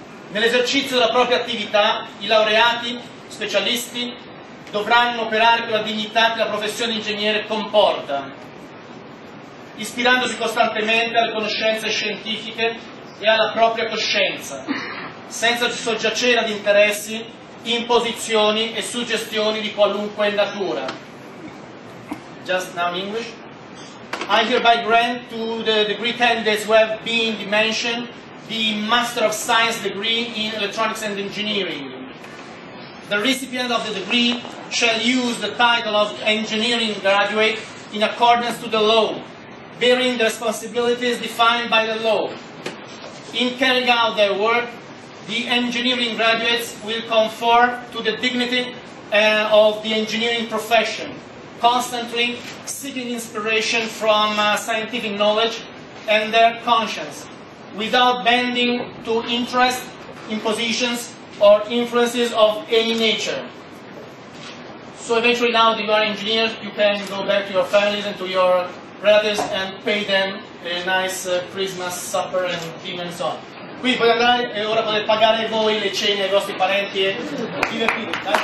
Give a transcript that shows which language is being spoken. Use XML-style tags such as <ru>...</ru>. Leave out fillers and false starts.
<it>Nell'esercizio della propria attività, i laureati specialisti dovranno operare con la dignità che la professione di ingegnere comporta, ispirandosi costantemente alle conoscenze scientifiche e alla propria coscienza, senza soggiacere ad interessi, imposizioni e suggestioni di qualunque natura.</it> <en>Just now in English. I hereby grant to the pretenders who have been mentioned the Master of Science degree in Electronics and Engineering. The recipient of the degree shall use the title of Engineering Graduate in accordance to the law, bearing the responsibilities defined by the law. In carrying out their work, the engineering graduates will conform to the dignity of the engineering profession, constantly seeking inspiration from scientific knowledge and their conscience, without bending to interests, impositions, or influences of any nature. So eventually now that you are engineers, you can go back to your families and to your relatives and pay them a nice Christmas supper and dinner and so on.</en> <it>Qui puoi andare e ora potete pagare voi le cene ai vostri parenti e divertirvi.</it>